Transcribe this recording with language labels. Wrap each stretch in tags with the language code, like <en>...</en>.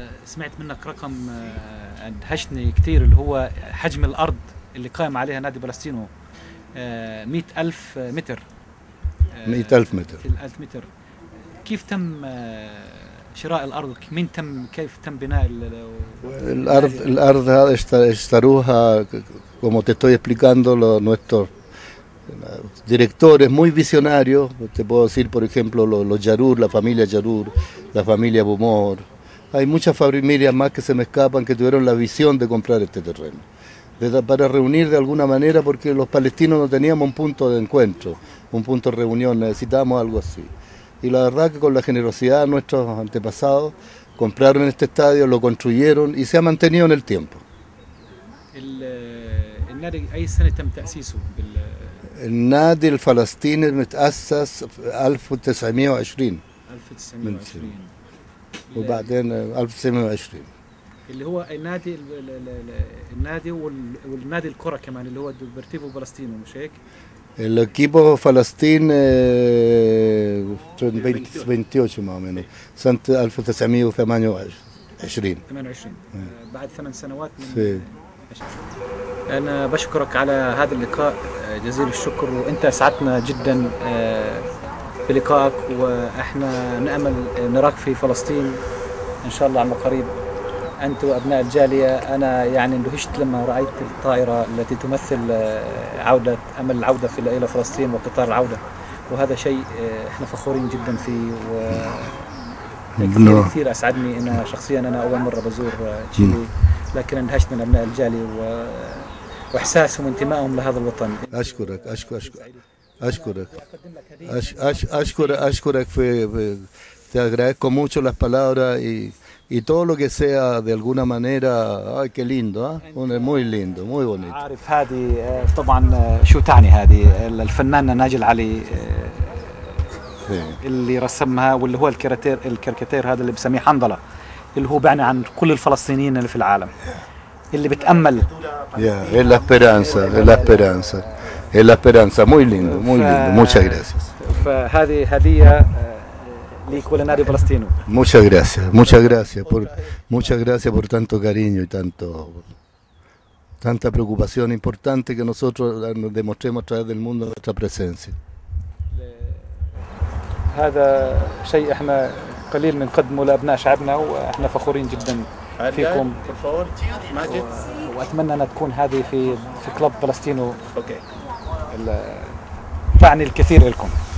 <ar>سمعت منك رقم ادهشني كثير اللي هو حجم الارض اللي قائم عليها نادي بلستينو 100,000 متر. 100,000 متر. 100,000 متر. كيف تم شراء الأرض؟ مين تم كيف تم بناء الأرض؟ الأرض هذا اشتروها</ar> <es>como te estoy explicando los nuestros directores muy visionarios. Te puedo decir por ejemplo los Yarur, la familia Yarur, la familia Bumor. Hay muchas familias más que se me escapan que tuvieron la visión de comprar este terreno para reunir de alguna manera, porque los palestinos no teníamos un punto de encuentro, un punto de reunión, necesitábamos algo así. Y la verdad que con la generosidad de nuestros antepasados compraron este estadio, lo construyeron y se ha mantenido en el tiempo. ¿El nadie, ahí se necesita un tercio?</es> <ar>النادي الفلسطيني متأسس في 1920. 1920. وبعدين 1920. اللي هو النادي النادي والنادي الكرة كمان اللي هو ديبورتيفو فلسطينو مش هيك؟ الكيبو فلسطين 28 سنة 1928 بعد 8 سنوات من. أنا بشكرك على هذا اللقاء جزيل الشكر، وأنت أسعدتنا جدا بلقائك، وإحنا نأمل نراك في فلسطين إن شاء الله عما قريب، أنت وأبناء الجالية. أنا يعني اندهشت لما رأيت الطائرة التي تمثل عودة أمل العودة في إلى فلسطين وقطار العودة، وهذا شيء إحنا فخورين جدا فيه، وكثير أسعدني أنا شخصيا، أنا أول مرة بزور تشيلي، لكن اندهشت من أبناء الجالية وإحساسهم وانتمائهم لهذا الوطن. أشكرك أشكرك أشكرك أشكرك أشكرك في</ar> <es>te agradezco mucho las palabras y y todo lo que sea de alguna manera ay qué lindo ¿eh? Un, muy lindo muy bonito</es> <ar>عارف هذه طبعا شو تعني هذه الفنان ناجي العلي اللي رسمها واللي هو الكاريكاتير هذا اللي بسميه حنظلة اللي هو بعني عن كل الفلسطينيين اللي في العالم اللي بتامل</ar> <es>la esperanza muy lindo muy lindo muchas gracias</es> <ar>فهذه هديه ليك ولنادي فلسطينو.</ar> <es>Muchas gracias. Muchas gracias por tanto cariño y tanto tanta preocupación importante que nosotros demostremos a través del mundo nuestra presencia.</es> <ar>هذا شيء احنا قليل بنقدمه لابناء شعبنا، واحنا فخورين جدا فيكم. واتمنى ان تكون هذه في كلب فلسطينو. اوكي. تعني الكثير لكم.</ar>